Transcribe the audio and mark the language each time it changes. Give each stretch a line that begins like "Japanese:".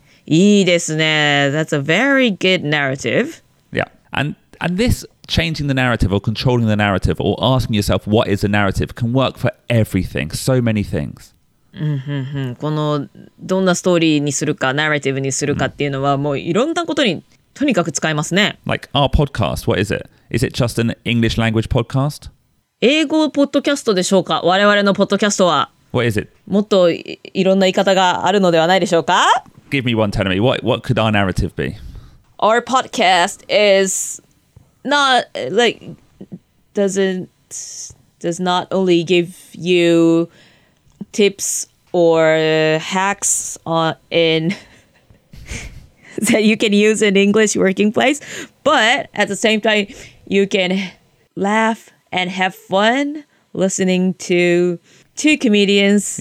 Japanese: いいですね。
English: That's a very good narrative. Yeah, and this changing the narrative or controlling the narrative or asking yourself what is the narrative can work for everything, so many things.
Japanese: このどんなストーリーにするか、ナラティブにするかっていうのは、もういろんなことにとにかく使えますね。
English: Like our podcast, what is it? Is it just an English language podcast?
Japanese: 英語ポッドキャストでしょうか？我々のポッドキャストは。
English: What is it?
Japanese: もっと いろんな言い方があるのではないでしょうか？
English: Give me one, tell me. What could our narrative be? Our podcast is not, like, does not only give you tips or hacks on, in that you can use in English working place, but at the same time,You can laugh and have fun listening to two comedians'